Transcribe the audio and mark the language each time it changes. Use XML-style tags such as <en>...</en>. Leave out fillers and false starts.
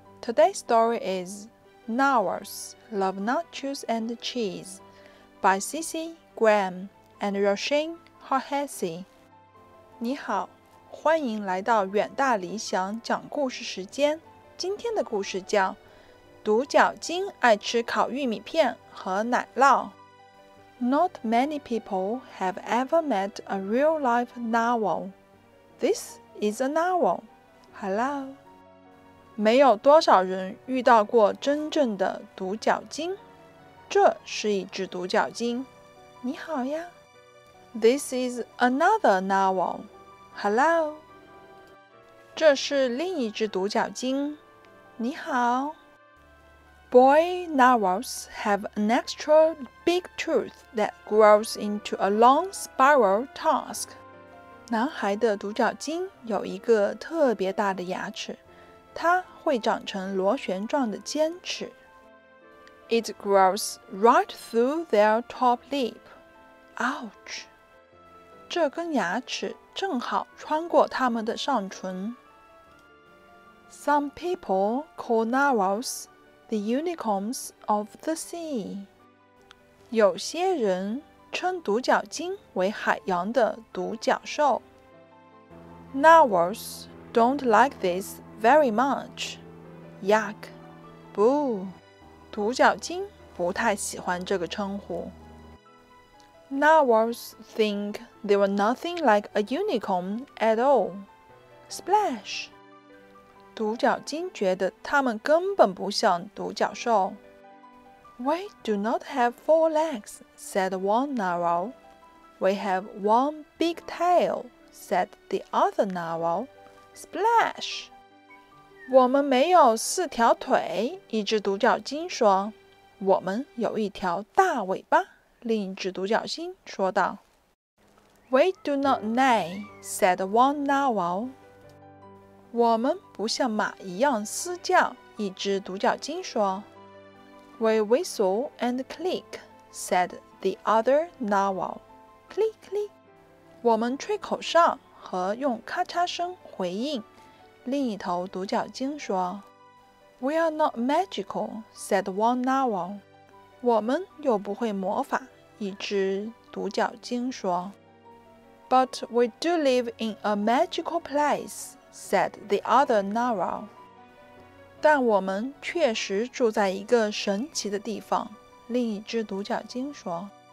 <en>Today's story is Narwhals Love Nachos and Cheese by Cece and Roisin Hahessy.</en> <zh>你好，欢迎来到远大理想讲故事时间。今天的故事叫独角鲸爱吃烤玉米片和奶酪。</zh> <en>Not many people have ever met a real-life narwhal. This is a narwhal. Hello.</en> <zh>没有多少人遇到过真正的独角鲸。这是一只独角鲸。你好呀。</zh> <en>This is another narwhal. Hello.</en> <zh>这是另一只独角鲸。你好。</zh> <en>Boy narwhals have an extra big tooth that grows into a long spiral tusk.</en> <zh>男孩的独角鲸有一个特别大的牙齿，它会长成螺旋状的尖齿。</zh> <en>It grows right through their top lip. Ouch!</en> <zh>这根牙齿正好穿过他们的上唇。</zh> <en>Some people call narwhals the unicorns of the sea.</en> <zh>有些人称独角鲸为海洋的独角兽。</zh> <en>Narwhals don't like this very much. Yuck. Boo.</en> <zh>独角鲸不太喜欢这个称呼。</zh> <en>Narwhals think they were nothing like a unicorn at all. Splash.</en> <zh>独角鲸觉得它们根本不像独角兽。</zh> <en>We do not have four legs, said one narwhal. We have one big tail, said the other narwhal. Splash!</en> <zh>我们没有四条腿，一只独角鲸说。我们有一条大尾巴，另一只独角鲸说道。</zh> <en>We do not neigh, said one narwhal.</en> <zh>我们不像马一样嘶叫，一只独角鲸说。</zh> <en>We whistle and click, said the other narwhal. Click, click.</en> <zh>我们吹口哨和用咔嚓声回应，另一头独角鲸说。</zh> <en>We are not magical, said one narwhal.</en> <zh>我们又不会魔法，一只独角鲸说。</zh> <en>But we do live in a magical place, said the other narwhal.</en> <zh>但我们确实住在一个神奇的地方，另一只独角鲸说。</zh>